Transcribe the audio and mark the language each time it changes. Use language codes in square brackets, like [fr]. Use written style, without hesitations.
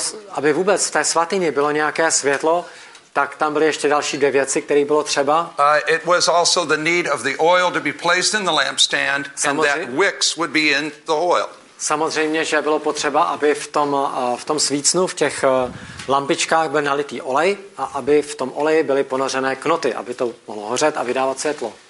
[cs] Aby vůbec v té svatyni bylo nějaké světlo, tak tam byly ještě další dvě věci, které bylo třeba. [en] It was also the need of the oil to be placed in the lampstand and that wicks would be in the oil. [cs] Samozřejmě, že bylo potřeba, aby v tom svícnu, v těch lampičkách byl nalitý olej a aby v tom oleji byly ponořené knoty, aby to mohlo hořet a vydávat světlo.